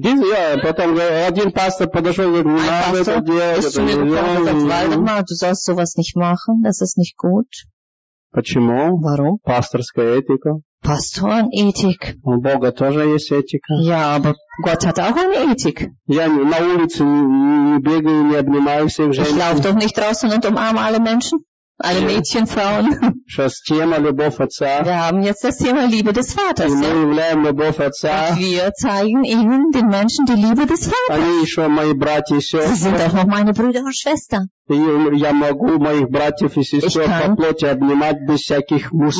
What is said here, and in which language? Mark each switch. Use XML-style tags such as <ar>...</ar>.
<ru>Я потом один пастор подошел и говорит, не надо это делать.</ru> <de>Вальдемар,</de> <ru>ты должен</ru> <de>sowas nicht machen, das ist nicht gut.</de> <ru>Почему?</ru> <de>Warum?</de> <ru>Пасторская этика.</ru> <de>Пасторенэтик.</de> <ru>У Бога тоже есть этика.</ru> <de>Ja, aber Gott hat auch eine Ethik.</de> <ru>Я на улице не бегаю, не обнимаю всех женщин.</ru> <de>Ich laufe doch nicht draußen und umarme alle Menschen. Alle Mädchen, Frauen. Wir haben jetzt das Thema Liebe des Vaters. Wir zeigen ihnen, den Menschen, die Liebe des Vaters. Sie sind auch noch meine Brüder und Schwestern.</de> <ru>Я могу моих братьев и сестер по плоти обнимать без всяких</ru>